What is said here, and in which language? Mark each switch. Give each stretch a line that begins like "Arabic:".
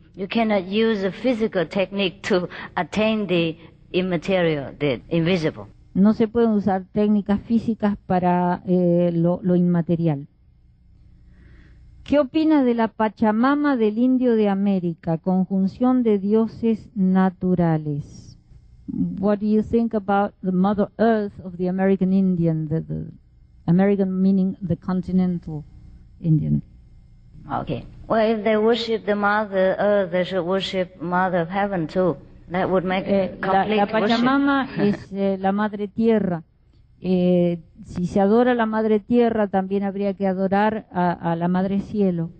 English: You cannot use a physical technique to attain the immaterial, the invisible.
Spanish: No se pueden usar técnicas físicas para lo inmaterial. ¿Qué opina de la Pachamama del Indio de América, conjunción de dioses naturales?
English: What do you think about the Mother Earth of the American Indian, the American meaning the continental Indian? Okay. Well, if they worship the Mother Earth, they should worship Mother of Heaven too. That would make complete
Spanish: la Pachamama
English: worship.
Spanish: Es la Madre Tierra. Si se adora a la Madre Tierra, también habría que adorar a la Madre Cielo.